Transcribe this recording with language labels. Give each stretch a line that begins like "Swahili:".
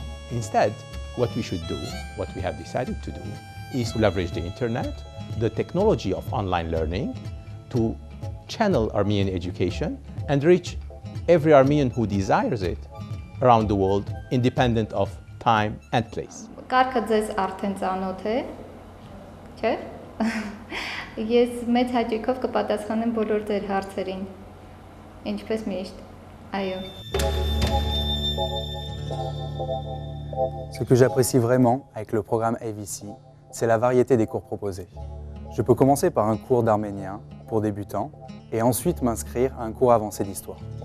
English: Instead, what we should do, what we have decided to do, is to leverage the internet, the technology of online learning, to channel Armenian education and reach every Armenian who desires it around the world, independent of time and place.
Armenian: Կարգը ձեզ արդեն ծանոթ է, չէ? Ես մեծ հաճույքով կպատասխանեմ բոլոր ձեր հարցերին, ինչպես միշտ, այո.
French: Ce que j'apprécie vraiment avec le programme AVC, c'est la variété des cours proposés. Je peux commencer par un cours d'arménien pour débutants et ensuite m'inscrire à un cours avancé d'histoire.